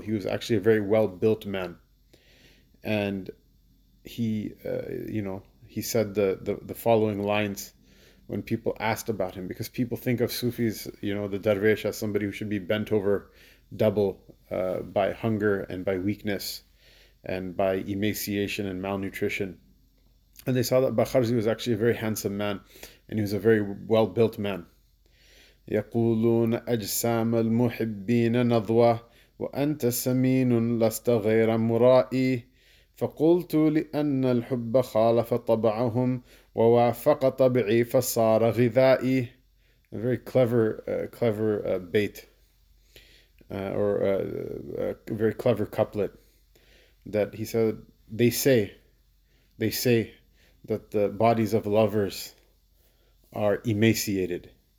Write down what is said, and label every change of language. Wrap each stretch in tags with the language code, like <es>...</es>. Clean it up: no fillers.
<en>He was actually a very well-built man. And he, you know, he said the following lines when people asked about him, because people think of Sufis, you know, the Darvish, as somebody who should be bent over double by hunger and by weakness and by emaciation and malnutrition. And they saw that Bākharzī was actually a very handsome man, and he was a very well-built man.</en> <ar>يقولون أجسام المحبين نضوة وأنت سمين لست غير مرائي فقلت لأن الحب خالف طبعهم ووافق طبعي فصار غذائي.</ar> <en>A very clever, bait, or a very clever couplet, that he said, they say. That the bodies of lovers are emaciated.</en>